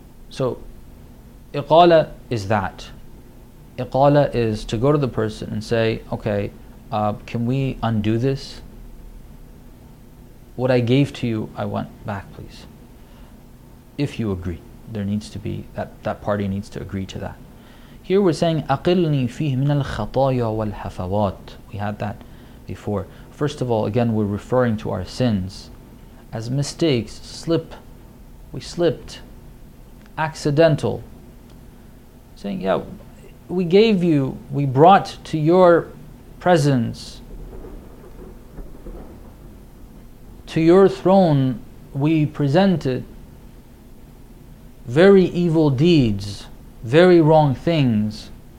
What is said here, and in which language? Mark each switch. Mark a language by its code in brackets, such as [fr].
[en] So, iqala is that. Iqala is to go to the person and say, okay, can we undo this? What I gave to you, I want back, please. If you agree, there needs to be, that party needs to agree to that. Here we're saying, [ar] أَقِلْنِي فِيهِ مِنَ الْخَطَايَا وَالْحَفَوَاتِ. [en] We had that before. First of all, again, we're referring to our sins as mistakes, slip. We slipped, accidental. Saying, yeah, we gave you, we brought to your presence, to your throne, we presented very evil deeds, very wrong things.